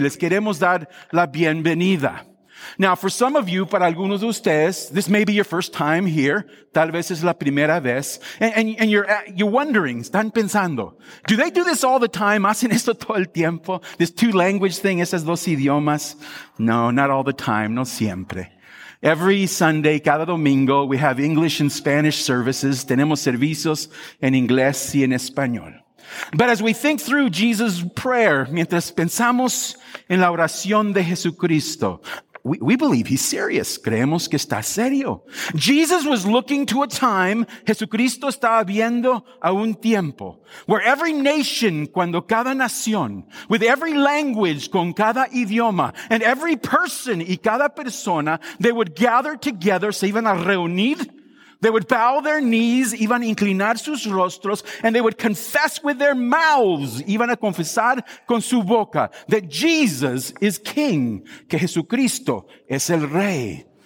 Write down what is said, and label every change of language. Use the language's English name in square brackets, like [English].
[Spanish] Les queremos dar la bienvenida. [English] Now, for some of you, [Spanish] para algunos de ustedes, [English] this may be your first time here. [Spanish] Tal vez es la primera vez. [English] And you're wondering, [Spanish] están pensando, [English] do they do this all the time? [Spanish] ¿Hacen esto todo el tiempo? [English] This two language thing, [Spanish] esas dos idiomas. [English] No, not all the time, [Spanish] no siempre. [English] Every Sunday, [Spanish] cada domingo, [English] we have English and Spanish services. [Spanish] Tenemos servicios en inglés y en español. [English] But as we think through Jesus' prayer, [Spanish] mientras pensamos en la oración de Jesucristo, [English] we believe he's serious. [Spanish] Creemos que está serio. [English] Jesus was looking to a time, [Spanish] Jesucristo estaba viendo a un tiempo, [English] where every nation, [Spanish] cuando cada nación, [English] with every language, [Spanish] con cada idioma, [English] and every person [Spanish] y cada persona, [English] they would gather together, [Spanish] se iban a reunir, [English] they would bow their knees, [Spanish] iban a inclinar sus rostros, [English] and they would confess with their mouths, [Spanish] iban a confesar con su boca, [English] that Jesus is king, [Spanish] que Jesucristo es el rey.